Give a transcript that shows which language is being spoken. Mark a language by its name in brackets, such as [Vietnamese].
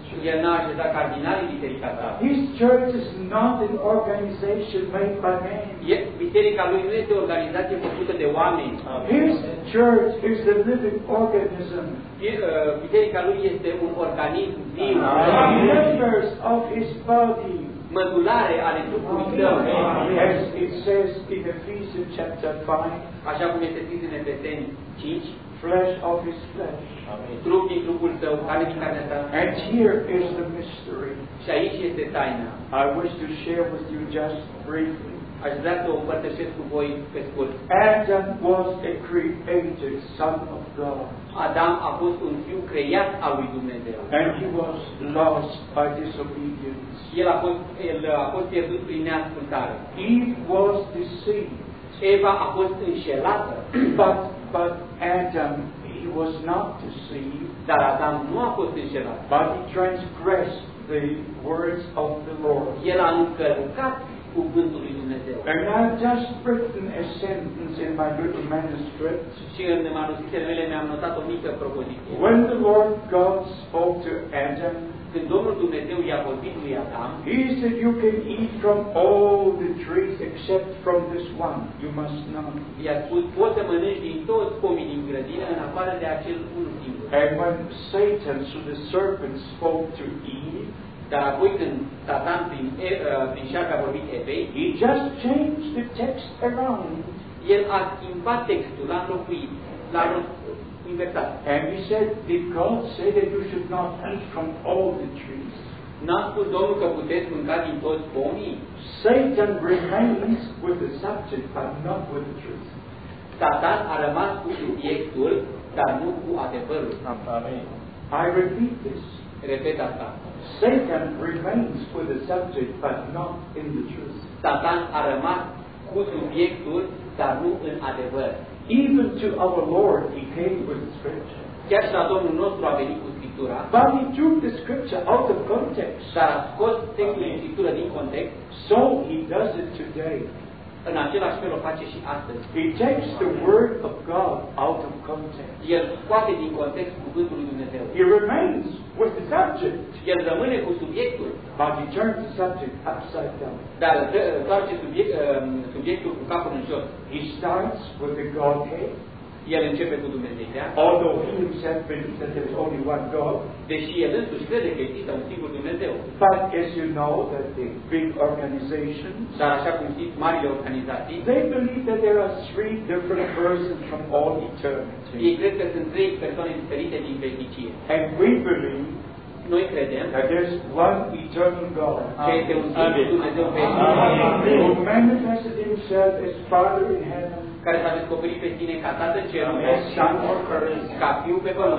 [Romanian] El n-a așezat cardinalii în biserica ta. [English] His church is not an organization made by man. [Romanian] Biserica lui nu este o organizație făcută de oameni. [English] His church is a living organism. [Romanian] Biserica lui este un organism viu. [English] Members of his body. [Romanian] Mădulare ale trupului său. [English] As it says in Ephesians chapter 5. [Romanian] Așa cum este scris în Efeseni 5. [English] Flesh of his flesh. [Romanian] Trup din trupul său, carne din carnea ta. [English] And here is the mystery. [Romanian] Și aici este taina. [English] I wish to share with you just briefly. [Romanian] Aș vrea să o împărtășesc cu voi pe scurt. [English] Adam was a created son of God. [Romanian] Adam a fost un fiu creat al lui Dumnezeu. [English] And he was lost by disobedience. [Romanian] El a fost pierdut prin neascultare. [English] He was deceived. [Romanian] Eva a fost înșelată. [English] But Adam, he was not deceived. [Romanian] Dar Adam nu a fost înșelat. [English] But he transgressed the words of the Lord. [Romanian] El a încălcat cuvântul lui Dumnezeu. [English] And I have just written a sentence in my little manuscript. [Romanian] Și în manuscritele mele mi-am notat o mică propoziție. [English] When the Lord God spoke to Adam, [Romanian] când Domnul Dumnezeu i-a vorbit lui Adam, [English] he said, you can eat from all the trees except from this one. You must not. [Romanian] I-a spus, poți să mănânci din toți pomii din grădină în afară de acel unul singur. [English] And when Satan, through the serpent, spoke to Eve, [Romanian] Dar apoi când Satan prin prin șarpe a vorbit Evei, [English] he just changed the text around. [Romanian] El a schimbat textul, l-a înlocuit, l-a invertat. [English] And he said, did God say that you should not eat from all the trees? [Romanian] N-a spus Domnul că puteți mânca din toți pomii? [English] Satan remains with the subject, but not with the truth. [Romanian] Satan a rămas cu subiectul, dar nu cu adevărul. [English] I repeat this. [Romanian] Repet asta. [English] Satan remains with the subject, but not in the truth. [Romanian] Satan a rămas cu subiectul, dar nu în adevăr. [English] Even to our Lord, he came with the scripture. [Romanian] Chiar și la Domnul nostru a venit cu Scriptura. [English] But he took the scripture out of context. [Romanian] Dar a scos textul din Scriptură din context. [English] So he does it today. [Romanian] În același fel o face și astăzi. [English] He takes the word of God out of context. [Romanian] El scoate din context cuvântul lui Dumnezeu. [English] He remains with the subject. [Romanian] El rămâne cu subiectul. [English] But he turns the subject upside down. [Romanian] Dar întoarce subiectul cu capul în jos. [English] He starts with the Godhead. [Romanian] El începe cu Dumnezeirea. [English] Although he himself believes that there is only one God. [Romanian] Deși el însuși crede că există un singur Dumnezeu. [English] But as you know that the big organization, [Romanian] dar așa cum știți, marile organizații, [English] they believe that there are three different persons from all eternity. [Romanian] Ei cred că sunt trei persoane diferite din veșnicie. [English] And we believe, [Romanian] noi credem, [English] that there is one eternal God. [Romanian] Că este un singur Dumnezeu veșnic. [English] Who manifested himself as Father in heaven. [Romanian] Care s-a descoperit pe tine ca Tată Cerul, ca Fiul pe